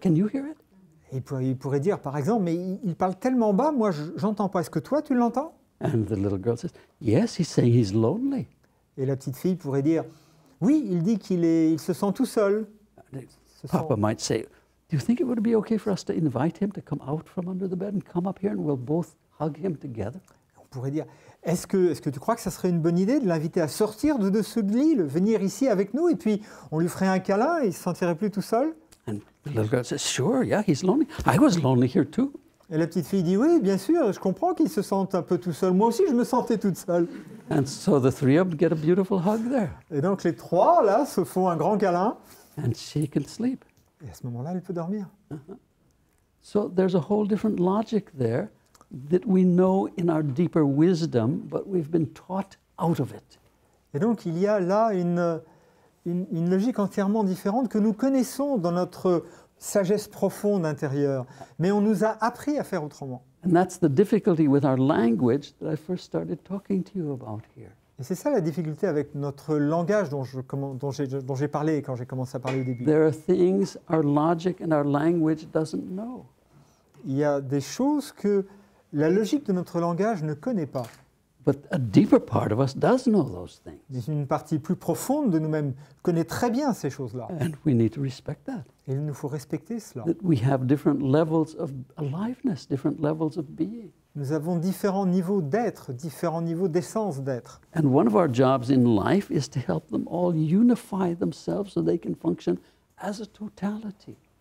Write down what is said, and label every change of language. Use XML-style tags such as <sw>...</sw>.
<en>Can you hear it ?»</en> <fr>Il pourrait dire, par exemple, « Mais il parle tellement bas, moi, j'entends pas. Est-ce que toi, tu l'entends ?»</fr> <en>And the little girl says, « Yes, he's saying he's lonely. »</en> <fr>Et la petite fille pourrait dire, oui, il dit qu'il se sent tout seul.</fr> <en>Papa might say, do you think it would be okay for us to invite him to come out from under the bed and come up here and we'll both hug him together?</en> <fr>On pourrait dire, est-ce que tu crois que ça serait une bonne idée de l'inviter à sortir de dessous de l'île, venir ici avec nous et puis on lui ferait un câlin et il se sentirait plus tout seul?</fr> <en>And the little girl says, sure, yeah, he's lonely. I was lonely here too.</en> <fr>Et la petite fille dit, oui, bien sûr, je comprends qu'il se sente un peu tout seul. Moi aussi, je me sentais toute seule.</fr> <en>And so the three of them get a beautiful hug there.</en> <fr>Et donc, les trois, là, se font un grand câlin.</fr> <en>And she can sleep.</en> <fr>Et à ce moment-là, elle peut dormir.</fr> <en>So there's a whole different logic there that we know in our deeper wisdom, but we've been taught out of it.</en> <fr>Et donc, il y a là une logique entièrement différente que nous connaissons dans notre sagesse profonde intérieure. Mais on nous a appris à faire autrement.</fr> <en>And that's the difficulty with our language that I first started talking to you about here.</en> <fr>Et c'est ça la difficulté avec notre langage dont j'ai parlé quand j'ai commencé à parler au début.</fr> <en>There are things our logic and our language doesn't know.</en> <fr>Il y a des choses que la logique de notre langage ne connaît pas.</fr> <en>But a deeper part of us does know those things.</en> <fr>Mais une partie plus profonde de nous-mêmes connaît très bien ces choses-là.</fr> <en>And we need to respect that.</en> <fr>Et il nous faut respecter cela.</fr> <en>That we have different levels of aliveness, different levels of being.</en> <fr>Nous avons différents niveaux d'être, différents niveaux d'essence d'être.</fr> <en>And one of our jobs in life is to help them all unify themselves so they can function as a totality.</en>